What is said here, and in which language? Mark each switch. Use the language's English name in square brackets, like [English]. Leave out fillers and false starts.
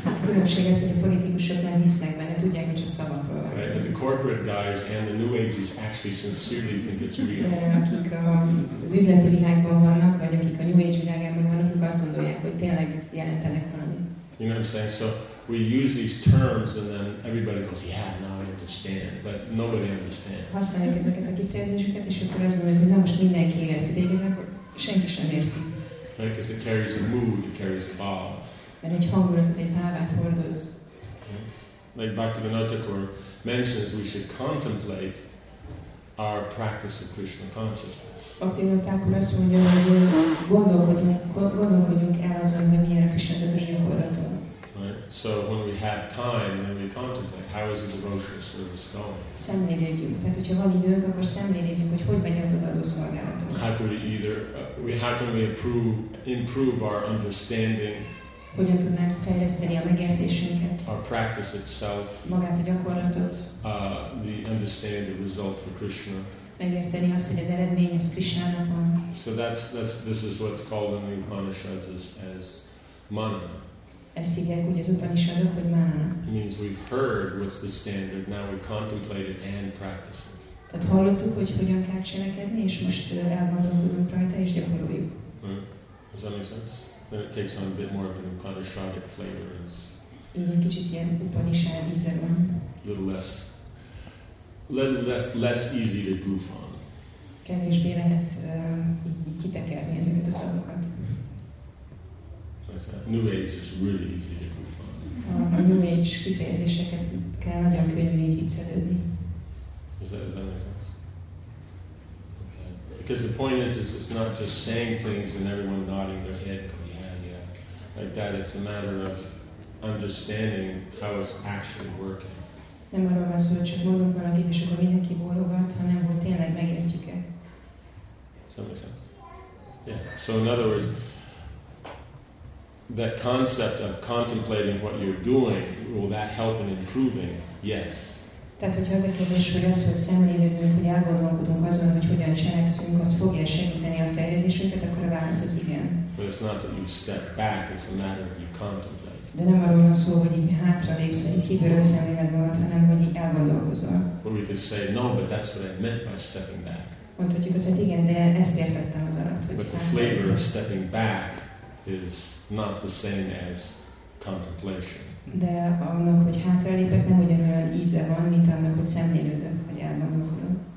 [English] But the corporate guys and the New Agees actually sincerely think it's real. You know what I'm saying? So we use these terms and then everybody goes, yeah, now I understand. But nobody understands. [Hungarian] Használjuk ezeket a kifejezéseket, és akkor azt mondjuk, hogy na most mindenki érti. De igazából senki sem érti. [English] Because it carries a mood, it carries a bhava. [Hungarian] And egy hangulatot, egy bhávát hordoz. [English] Like Bhaktivinoda Thakur mentions, we should contemplate our practice of Krishna consciousness. [Hungarian] Bhaktivinoda Thakur azt mondja, hogy gondolkodjunk el azon, hogy milyen a Krishna tudatos gyakorlaton. [English] Right. So when we have time, then we contemplate how is the devotional service going. [Hungarian] Szemlélődjünk. Tehát, hogyha van időnk, akkor szemlélődjünk, hogy hogy megy az adó szolgálatunk. [English] How can we improve our understanding? [Hungarian] Hogyan tudnánk fejleszteni a megértésünket? [English] Our practice itself. [Hungarian] Magát a gyakorlatot. [English] The understand the result for Krishna. [Hungarian] Megérteni azt, hogy az eredmény az Krishnának van. [English] So this is what's called in the Upanishads as manana. [Hungarian] Ezt hívják úgy az Upanishadok, hogy manana. [English] It means we've heard what's the standard, now we contemplate it and practice it. [Hungarian] Tehát hallottuk, hogy hogyan kell cselekedni, és most elgondolkodunk rajta, és gyakoroljuk. [English] Hmm. Does that make sense? Then it takes on a bit more of an Upanishadic flavor. It's [Hungarian] igen, kicsit ilyen Upanishad íze van. [English] A little less easy to goof on. [Hungarian] Kevésbé lehet így kitekerni ezeket a szavakat. [English] New Age is really easy to goof on. [Hungarian] A New Age kifejezéseket kell nagyon könnyű így viccelődni. [English] Is that make sense? Okay. Because the point is it's not just saying things and everyone nodding their head, going, yeah, yeah, like that. It's a matter of understanding how it's actually working. [Hungarian] Nem arról van szó, hogy csak mondunk valakit, és akkor mindenki bólogat, hanem hogy tényleg megértjük-e. [English] Does that make sense? Yeah. So in other words, that concept of contemplating what you're doing, will that help in improving? Yes. [Hungarian] Tehát, hogyha az a kérdés, hogy az, hogy szemlélődünk, hogy elgondolkodunk azon, hogy hogyan cselekszünk, az fogja segíteni a fejlődésünket, akkor a válasz az igen. [English] But it's not that you step back, it's a matter of you contemplate. [Hungarian] De nem arról van szó, hogy így hátralépsz, vagy kívülről szemléled magad, hanem hogy így elgondolkozol. [English] Or we could say, no, but that's what I meant by stepping back. [Hungarian] Mondhatjuk azt, hogy igen, de ezt értettem az alatt, hogy [English] but the flavor of stepping back is not the same as contemplation. [Hungarian] De annak, hogy hátralépek, nem ugyanolyan íze van, mint annak, hogy szemlélődök, vagy elgondolkodom.